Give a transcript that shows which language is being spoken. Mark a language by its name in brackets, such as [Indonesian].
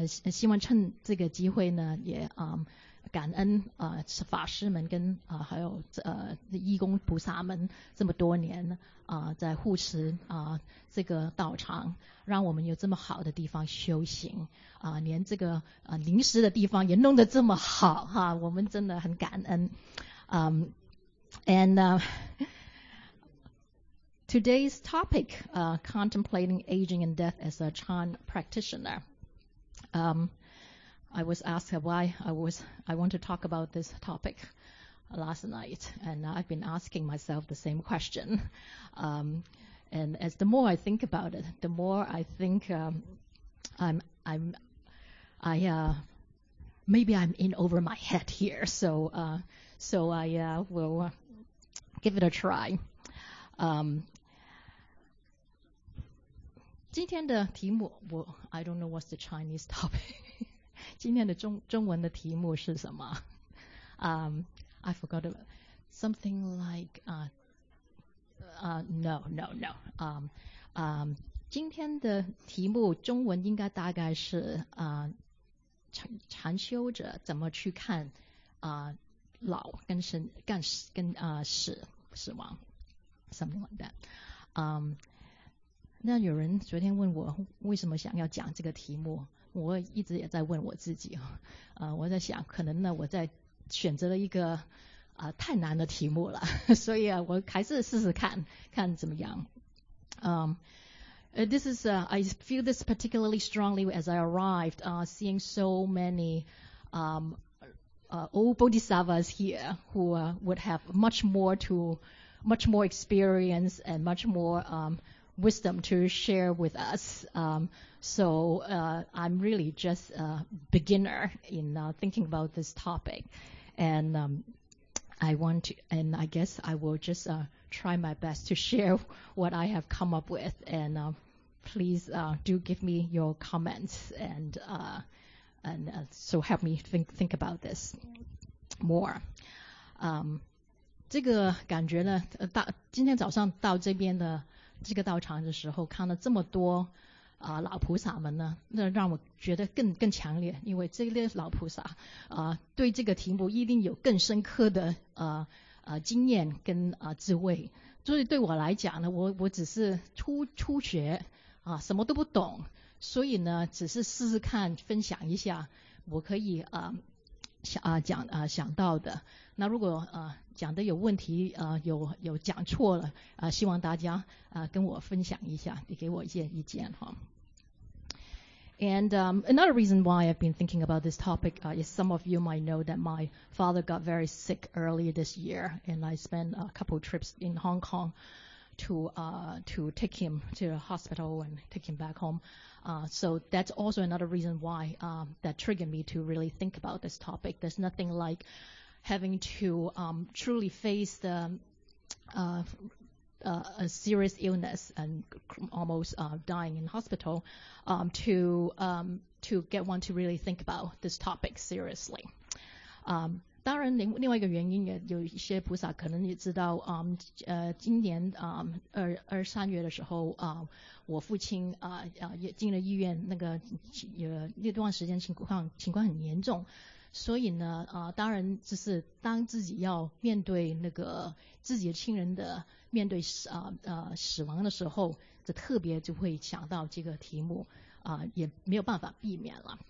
[Chinese] 希望趁这个机会呢，也感恩法师们跟还有义工菩萨们这么多年在护持这个道场，让我们有这么好的地方修行连这个临时的地方也弄得这么好哈，我们真的很感恩。 [English] Today's topic, contemplating aging and death as a Chan practitioner. I was asked why I want to talk about this topic last night, and I've been asking myself the same question. And as the more I think about it, the more I think maybe I'm in over my head here. So I will give it a try. [Chinese] 今天的题目，我 [English] I don't know what's the Chinese topic. [Chinese] 今天的中文的题目是什么？ [English] I forgot about something like no. [Chinese] 今天的题目中文应该大概是禅修者怎么去看老跟生干跟死亡 [English] something like that. [Chinese] 那有人昨天问我为什么想要讲这个题目，我一直也在问我自己，我在想可能呢我在选择了一个太难的题目了，所以我还是试试看看怎么样。 [English] This is I feel this particularly strongly as I arrived seeing so many old bodhisattvas here who would have much more experience and much more wisdom to share with us. I'm really just a beginner in thinking about this topic. And I guess I will just try my best to share what I have come up with. And please do give me your comments and help me think about this more. [Chinese] 这个感觉呢，今天早上到这边的这个道场的时候看了这么多老菩萨们呢，那让我觉得更强烈，因为这些老菩萨对这个题目一定有更深刻的经验跟智慧。所以对我来讲呢，我只是初学什么都不懂，所以呢只是试试看分享一下我可以想到的。那如果讲的有问题有讲错了希望大家跟我分享一下，你给我一些意见哈。 [English] And another reason why I've been thinking about this topic is some of you might know that my father got very sick early this year, and I spent a couple trips in Hong Kong to take him to the hospital and take him back home. So that's also another reason why that triggered me to really think about this topic. There's nothing like having to truly face the a serious illness and almost dying in hospital to get one to really think about this topic seriously. [Chinese] 当然另外一个原因也有一些菩萨可能也知道今年二三月的时候我父亲也进了医院，那个那段时间情况很严重，所以呢当然就是当自己要面对那个自己的亲人的面对死亡的时候，就特别就会想到这个题目也没有办法避免了。